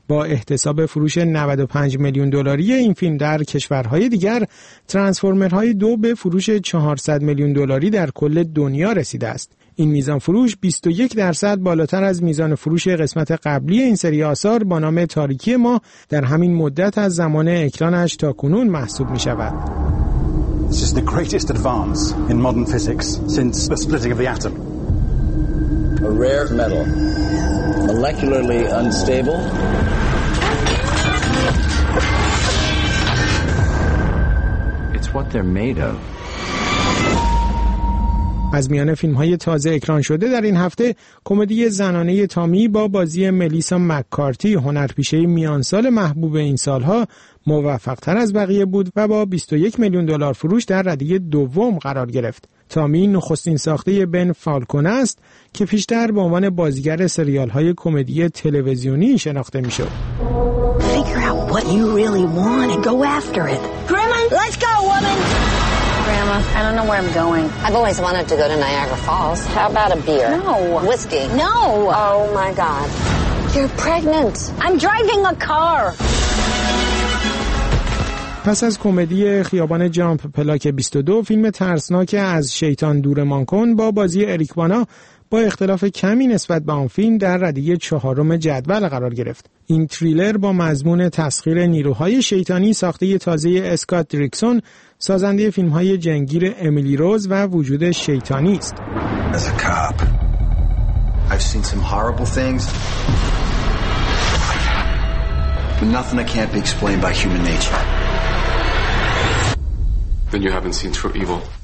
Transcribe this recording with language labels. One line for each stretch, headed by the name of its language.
Persian: با احتساب فروش 95 میلیون دلاری این فیلم در کشورهای دیگر، ترانسفورمرهای 2 به فروش 400 میلیون دلاری در کل دنیا رسیده است. این میزان فروش 21% بالاتر از میزان فروش قسمت قبلی این سری آثار با نام تاریکی ما در همین مدت از زمان اکرانش تا کنون محسوب می شود.
English: This is the greatest advance in modern physics since the splitting of the atom. A rare metal, molecularly unstable. It's what they're made of.
Persian: از میان فیلم‌های تازه اکران شده در این هفته کمدی زنانه تامی با بازی ملیسا مک‌کارتی، هنرپیشه میانسال محبوب این سال‌ها، موفق‌تر از بقیه بود و با 21 میلیون دلار فروش در رده دوم قرار گرفت. تامی نخستین ساخته بن فالکون است که پیشتر به عنوان بازیگر سریال‌های کمدی تلویزیونی شناخته می‌شد.
English: What you really want and go after it. Grandma, let's go, woman! Grandma, I don't know where I'm going. I've always wanted to go to Niagara Falls. How about a beer? No. Whiskey? No. Oh, my God. You're pregnant. I'm driving a car.
Persian: پس از کمدی خیابان جامپ پلاک 22، فیلم ترسناک از شیطان دورمان کن با بازی اریک بانا با اختلاف کمی نسبت به آن فیلم در رده چهارم جدول قرار گرفت. این تریلر با مضمون تسخیر نیروهای شیطانی ساخته تازه اسکات دریکسون، سازنده فیلم‌های جنگیر امیلی روز و وجود شیطانی است.
English: As a cop, I've seen some horrible things. But nothing that can't be explained by human nature. Then you haven't seen true evil.